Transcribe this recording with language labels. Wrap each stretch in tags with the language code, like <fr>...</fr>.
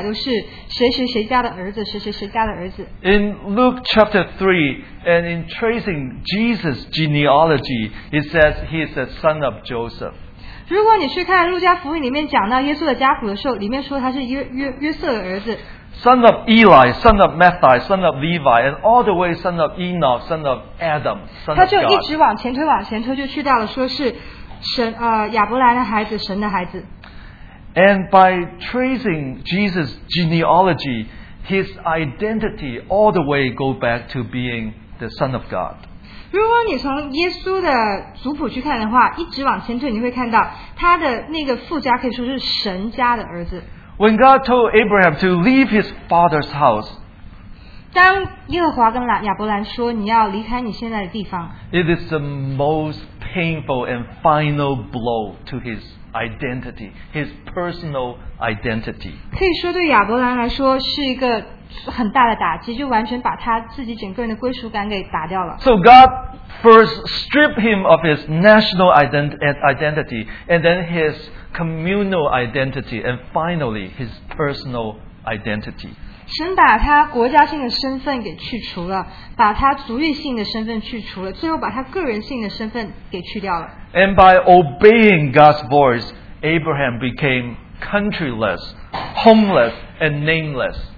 <zh>如果你看圣经的话，你会发现里面族谱的记载都是谁谁谁家的儿子，谁谁谁家的儿子。</zh> <en>In Luke chapter 3, and in tracing Jesus' genealogy, it says he is the son of Joseph.</en> <zh>如果你去看路加福音里面讲到耶稣的家谱的时候，里面说他是约瑟的儿子。</zh> <en>Son of Eli, son of Matthew, son of Levi, and all the way son of Enoch, son of Adam, son of God.</en> <zh>他就一直往前推，往前推，就去到了说是神，亚伯兰的孩子，神的孩子。</zh> <en>And by tracing Jesus' genealogy, his identity all the way go back to being the son of God.</en> <zh>如果你从耶稣的族谱去看的话，一直往前推，你会看到他的那个父家可以说是神家的儿子。</zh> <en>When God told Abraham to leave his father's house,</en> <zh>当耶和华跟亚伯兰说你要离开你现在的地方,</zh> <en>it is the most painful and final blow to his identity, his personal identity.</en> <zh>可以说对亚伯兰来说是一个很大的打击, 就完全把他自己整个人的归属感给打掉了。</zh> <en>So God first stripped him of his national identity, and then his communal identity, and finally his personal identity.</en> <zh>神把他国家性的身份给去除了，把他族裔性的身份去除了，最后把他个人性的身份给去掉了。</zh> <en>And by obeying God's voice, Abraham became countryless, homeless, and nameless.</en>